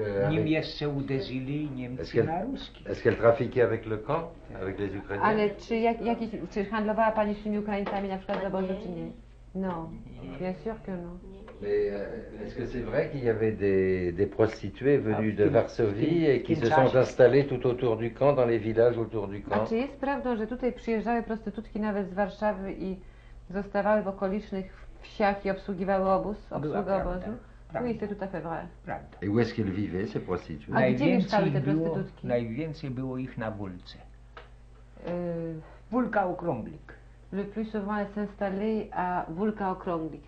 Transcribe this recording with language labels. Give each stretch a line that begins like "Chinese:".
Polish: Nim jeszcze uderzyli Niemcy na Ruski.
French: Est-ce qu'elle trafiquait avec le camp, avec les Ukrainiens?
Polish: Ale czy handlowała pani z tymi Ukraińcami na przykład z obozu, czy nie?
French: Non, bien sûr que non. Mais est-ce que c'est vrai qu'il y avait des prostituées venues de Varsovie et qui se sont installées tout autour du camp, dans les villages autour du camp?
Polish: A czy jest prawdą, że tutaj przyjeżdżały prostytutki nawet z Warszawy i zostawały w okolicznych wsiach i obsługiwały obóz, obsługę obozu?
French: Oui, c'est tout à fait vrai. Et où est-ce qu'ils vivaient, ces prostituées?
Polish: A gdzie mieszkały te prostytutki? Najwięcej było ich na Wólce. Wólka Okrąglik.
French: Le plus souvent, elle s'installait à Wólka Okrąglik.